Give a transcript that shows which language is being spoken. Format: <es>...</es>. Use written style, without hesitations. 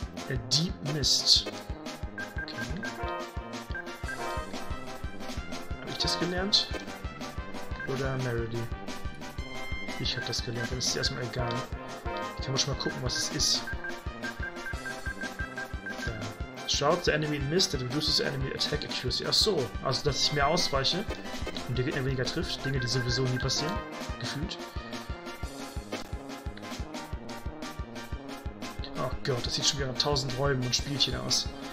<en>A Deep Mist. Okay.</en> <de>Habe ich das gelernt? Oder Melody? Ich habe das gelernt, dann ist es erstmal egal. Ich kann schon mal gucken, was es ist.</de> <en>Shroud the enemy in mist and reduces the enemy attack accuracy.</en> <de>Ach so, also dass ich mehr ausweiche und der Gegner weniger trifft. Dinge, die sowieso nie passieren. Gefühlt. Oh Gott, das sieht schon wieder nach 1000 Räumen und Spielchen aus.</de>